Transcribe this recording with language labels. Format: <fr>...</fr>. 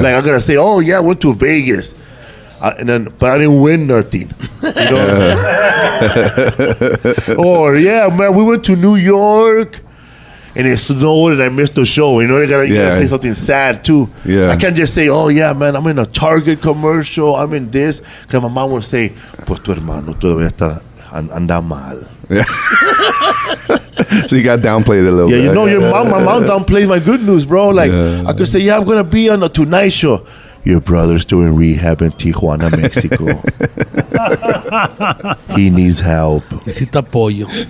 <en>Like, I gotta say, oh, yeah, I went to Vegas. But I didn't win nothing. You know? Yeah. Or, yeah, man, we went to New York and it snowed and I missed the show. You know, you gotta say something sad too. Yeah. I can't just say, oh, yeah, man, I'm in a Target commercial. I'm in this. Because my mom would say,</en> <es>pues tu hermano todavía está anda mal.</es> <en>Yeah. So you got downplayed a little bit. Yeah, you know, my mom downplayed my good news, bro. Like, yeah. I could say, yeah, I'm going to be on the Tonight Show. Your brother's doing rehab in Tijuana, Mexico. He needs help.</en> <es>Necesita apoyo.</es>